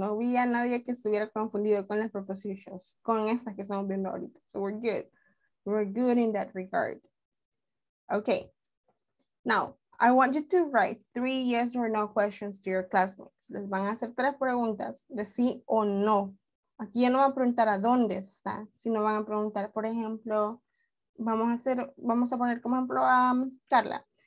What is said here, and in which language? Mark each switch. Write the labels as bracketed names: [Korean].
[Spanish] No vi a nadie que estuviera confundido con las prepositions, con estas que estamos viendo ahorita. [English] So we're good. We're good in that regard. Okay. Now, I want you to write 3 yes or no questions to your classmates. [Spanish] Les van a hacer 3 preguntas de sí o no. Aquí ya no van a preguntar a dónde está, sino van a preguntar, por ejemplo, vamos a poner como ejemplo a Carla.